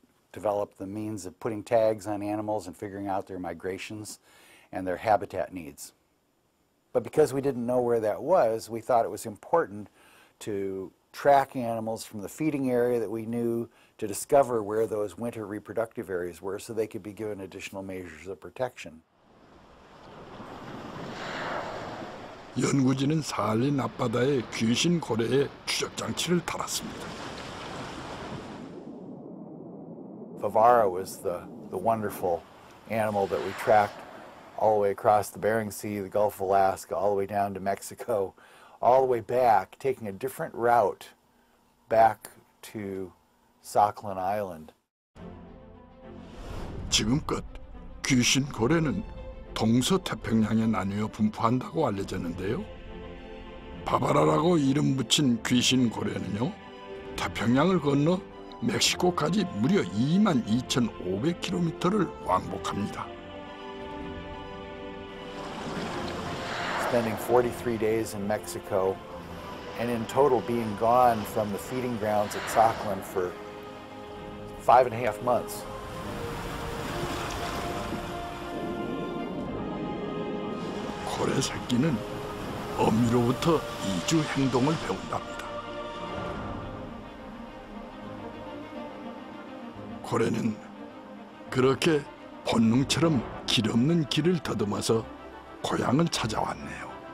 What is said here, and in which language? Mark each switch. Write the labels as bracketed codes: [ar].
[en] developed the means of putting tags on animals and figuring out their migrations and their habitat needs. But because we didn't know where that was, we thought it was important to track animals from the feeding area that we knew to discover where those winter reproductive areas were so they could be given additional measures of protection. [ko] 연구진은 사할린 앞바다에 귀신 고래의 추적 장치를 달았습니다. [en] Favara was the wonderful animal that we tracked all the way across the Bering Sea, the Gulf of Alaska, all the way down to Mexico, all the way back, taking a different route back to Sakhalin Island. [ko] 지금껏 귀신 고래는 동서태평양에 나뉘어 분포한다고 알려졌는데요. 바바라라고 이름 붙인 귀신 고래는요, 태평양을 건너 멕시코까지 무려 22,500km를 왕복합니다. [en] Spending 43 days in Mexico and in total being gone from the feeding grounds at Sakhalin for 5.5 months. [ko] 고래 새끼는 어미로부터 이주 행동을 배운답니다. 고래는 그렇게 본능처럼 길 없는 길을 더듬어서 고향을 찾아왔네요.